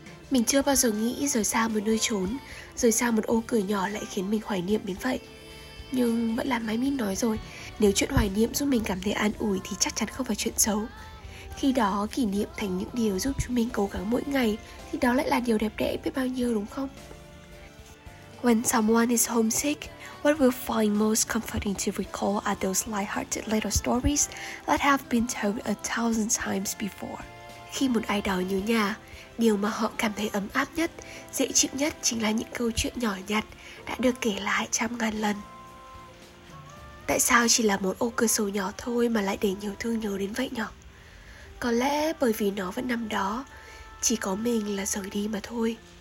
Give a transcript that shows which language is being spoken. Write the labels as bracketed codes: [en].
[vi] Mình chưa bao giờ nghĩ rời xa một nơi trốn, rời xa một ô cửa nhỏ lại khiến mình hoài niệm đến vậy. Nhưng vẫn là Mai Min nói rồi, nếu chuyện hoài niệm giúp mình cảm thấy an ủi thì chắc chắn không phải chuyện xấu. Khi đó kỷ niệm thành những điều giúp chúng mình cố gắng mỗi ngày thì đó lại là điều đẹp đẽ biết bao nhiêu đúng không? [en] When someone is homesick, what we'll find most comforting to recall are those light-hearted little stories that have been told a thousand times before. [vi] Khi một ai đó nhớ nhà, điều mà họ cảm thấy ấm áp nhất, dễ chịu nhất chính là những câu chuyện nhỏ nhặt đã được kể lại trăm ngàn lần. Tại sao chỉ là một ô cửa sổ nhỏ thôi mà lại để nhiều thương nhớ đến vậy nhỉ? Có lẽ bởi vì nó vẫn nằm đó, chỉ có mình là rời đi mà thôi.